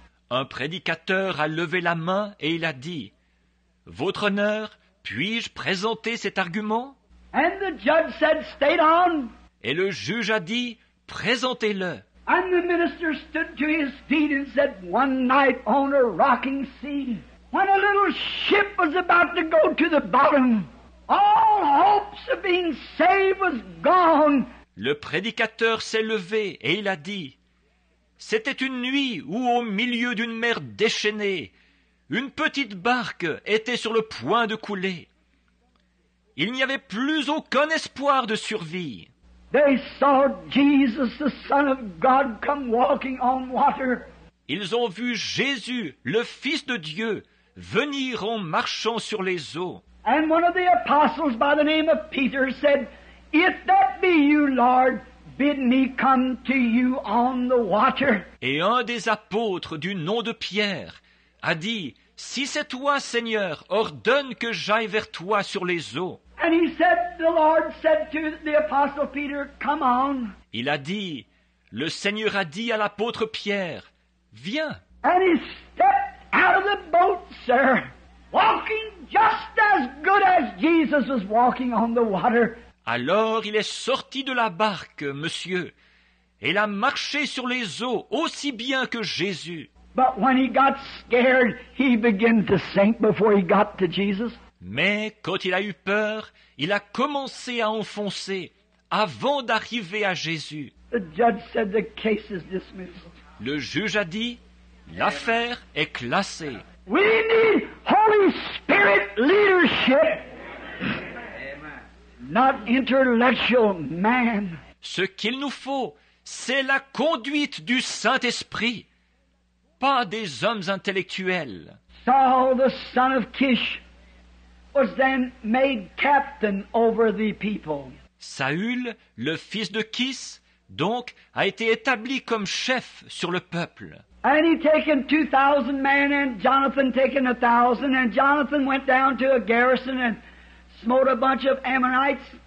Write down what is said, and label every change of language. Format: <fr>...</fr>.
<fr>Un prédicateur a levé la main et il a dit, « Votre honneur, puis-je présenter cet argument ?»</fr> <en>And the judge said, "Stay on."</en> <fr>Et le juge a dit, « Présentez-le. »</fr> <en>And the minister stood to his feet and said, "One night on a rocking sea, when a little ship was about to go to the bottom, all hopes of being saved was gone."</en> <fr>Le prédicateur s'est levé et il a dit, c'était une nuit où, au milieu d'une mer déchaînée, une petite barque était sur le point de couler. Il n'y avait plus aucun espoir de survie.</fr> <en>They saw Jesus, the Son of God, come walking on water.</en> <fr>Ils ont vu Jésus, le Fils de Dieu, venir en marchant sur les eaux.</fr> <en>And one of the apostles by the name of Peter said, "If that be you, Lord, bid me come to you on the water."</en> <fr>Et un des apôtres du nom de Pierre a dit, "Si c'est toi, Seigneur, ordonne que j'aille vers toi sur les eaux."</fr> <en>And he said, the Lord said to the apostle Peter, "Come on."</en> <fr>Il a dit, le Seigneur a dit à l'apôtre Pierre, viens.</fr> <en>And he stepped out of the boat, sir, walking just as good as Jesus was walking on the water.</en> <fr>Alors il est sorti de la barque, monsieur, et il a marché sur les eaux aussi bien que Jésus.</fr> <en>But when he got scared, he began to sink before he got to Jesus.</en> <fr>Mais quand il a eu peur, il a commencé à enfoncer avant d'arriver à Jésus.</fr> <en>The judge said the case is dismissed.</en> <fr>Le juge a dit, l'affaire est classée.</fr> <en>We need Holy Spirit leadership, not intellectual man.</en> <fr>Ce qu'il nous faut, c'est la conduite du Saint-Esprit, pas des hommes intellectuels.</fr> <en>Saul, the son of Kish, was then made captain over the people.</en> <fr>Saül, le fils de Kis, donc, a été établi comme chef sur le peuple.</fr> <en>And he taken 2,000 men, and Jonathan taken 1,000, and Jonathan went down to a garrison and smote a bunch of Ammonites.</en>